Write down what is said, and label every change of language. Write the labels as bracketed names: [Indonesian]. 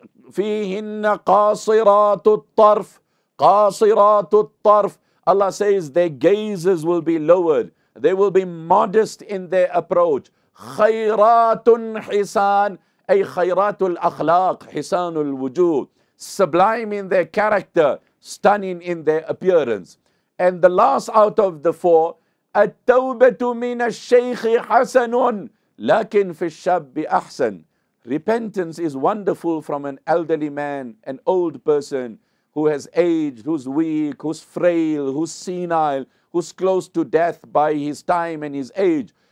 [Arabic] فيهن قاصرات الطرف قاصرات الطرف. [English] Allah says their gazes will be lowered. They will be modest in their approach. [Arabic] خيرات حسان, أي خيرات الأخلاق, حسان الوجود. [English] Sublime in their character, stunning in their appearance. And the last out of the four, [Arabic] التوبة من الشيخ حسن لكن في الشاب أحسن. [English] Repentance is wonderful from an elderly man, an old person who has aged, who's weak, who's frail, who's senile, who's close to death by his time and his age.